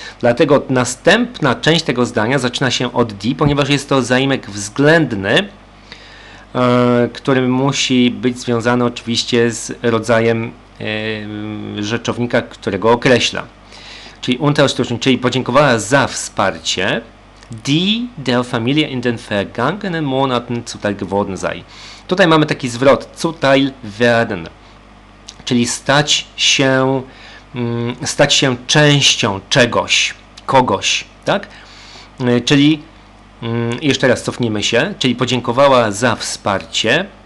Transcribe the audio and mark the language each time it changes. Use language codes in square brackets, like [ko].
[pl] Dlatego następna część tego zdania zaczyna się od die, ponieważ jest to zaimek względny, który musi być związany oczywiście z rodzajem rzeczownika, którego określa. Czyli Unterstützung, czyli podziękowała za wsparcie. [de] Die der Familie in den vergangenen Monaten zuteil geworden sei. [pl] Tutaj mamy taki zwrot, [de] zuteil werden, [pl] czyli stać się częścią czegoś, kogoś, tak? Czyli, jeszcze raz cofniemy się, czyli podziękowała za wsparcie.